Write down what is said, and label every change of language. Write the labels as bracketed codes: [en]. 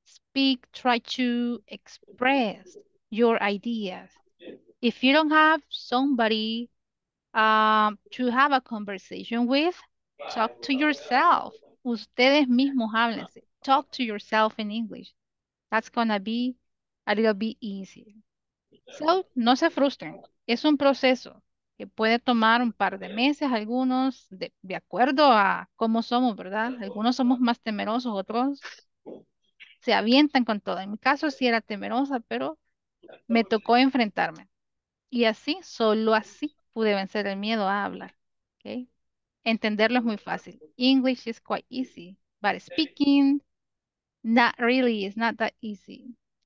[en] Speak, try to express your ideas. If you don't have somebody to have a conversation with, talk to yourself. [es] Ustedes mismos háblense. [en] Talk to yourself in English. That's going to be a little bit easier. [es] So, no se frustren. Es un proceso que puede tomar un par de meses, algunos, de acuerdo a cómo somos, ¿verdad? Algunos somos más temerosos, otros se avientan con todo. En mi caso sí era temerosa, pero me tocó enfrentarme. Y así, solo así, pude vencer el miedo a hablar. ¿Okay? Entenderlo es muy fácil. [en] English is quite easy. But speaking, not really, it's not that easy.